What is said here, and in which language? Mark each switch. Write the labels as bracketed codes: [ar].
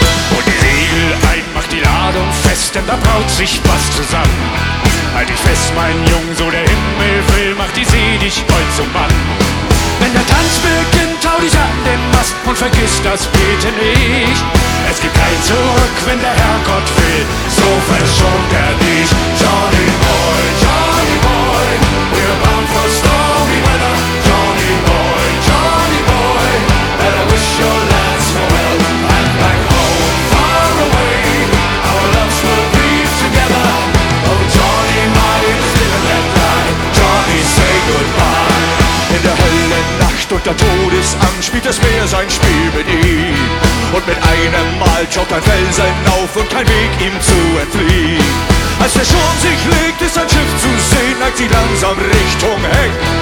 [de] Hol die Segel ein, mach die Ladung fest, denn da braut sich was zusammen. Halt dich fest, mein Junge, so der Himmel will, mach die See dich voll zum Mann. Wenn der Tanz beginnt, hau dich an den Mast und vergiss das Beten nicht. Es gibt kein Zurück, wenn der Herrgott will, so verschont er dich. [en] Johnny Boy, Johnny Boy, we're bound for stormy weather. Johnny Boy, Johnny Boy, and I wish your lads farewell. I'm back home, far away, our loves will be together. Oh, Johnny, my, it's live and let die. Johnny, say goodbye. [de] In der hellen Nacht und der Todesangst spielt das Meer sein Spiel mit ihm. Und mit einem Mal schaut ein Felsen auf und kein Weg ihm zu entfliehen. Als der Sturm sich legt, ist ein Schiff zu sehen, neigt sich langsam Richtung Heck.